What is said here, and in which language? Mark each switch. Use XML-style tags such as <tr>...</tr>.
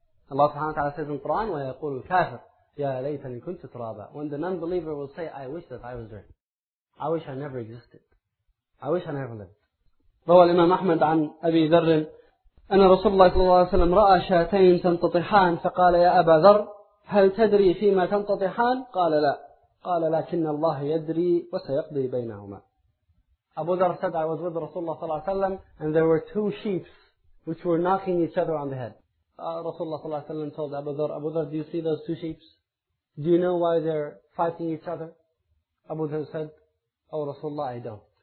<ar>Allah subhanahu wa ta'ala</ar> <en>says in Quran,</en> <ar>وَيَقُولُ الْكَافِرُ يَا لَيْتَنِي كُنْتُ تُرَابًا.</ar> <en>When the non-believer will say, I wish that I was dirt. I wish I never existed. I wish I never lived.</en> <ar>روى الإمام أحمد عن أبي ذر أن رسول الله صلى الله عليه وسلم رأى شاتين تنتطحان فقال يا أبا ذر هل تدري فيما تنتطحان؟ قال لا. قال لكن الله يدري وسيقضي بينهما.</ar> <en>Abu Dhar said, I was with Rasulullah صلى الله عليه وسلم and there were two sheep which were knocking each other on the head. Rasulullah صلى الله عليه وسلم told Abu Dhar, Abu Dhar, do you see those two sheep? Do you know why they're fighting each other? Abu Dhar said, Oh Rasulullah, I don't.</en>